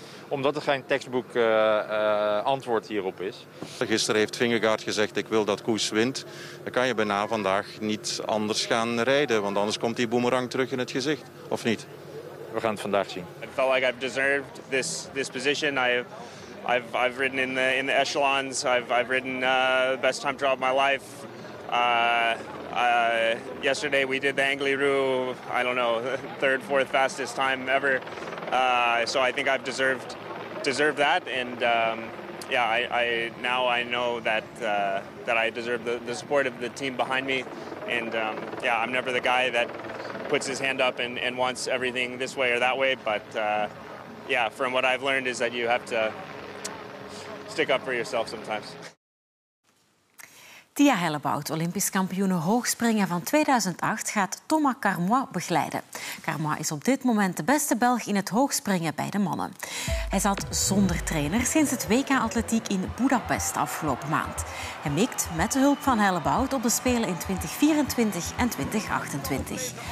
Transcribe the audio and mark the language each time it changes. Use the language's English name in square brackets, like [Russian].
[Dutch] Omdat er geen textbook antwoord hierop is. Gisteren heeft Vingegaard gezegd, ik wil dat Kuss wint. Dan kan je bijna vandaag niet anders gaan rijden. Want anders komt die boemerang terug in het gezicht. Of niet? We gaan het vandaag zien. Ik voelde dat ik deze positie heb. [English] I've ridden in the echelons. I've ridden the best time trial of my life. Yesterday we did the Angliru. I don't know, third, fourth fastest time ever. So I think I've deserved that. And I know that I deserve the support of the team behind me. And I'm never the guy that puts his hand up and wants everything this way or that way. But from what I've learned is that you have to. Stick up for yourself sometimes. [Dutch] Tia Hellebout, Olympisch kampioene hoogspringen van 2008, gaat Thomas Carmois begeleiden. Carmois is op dit moment de beste Belg in het hoogspringen bij de mannen. Hij zat zonder trainer sinds het WK Atletiek in Budapest afgelopen maand. Hij mikt met de hulp van Hellebout op de Spelen in 2024 en 2028.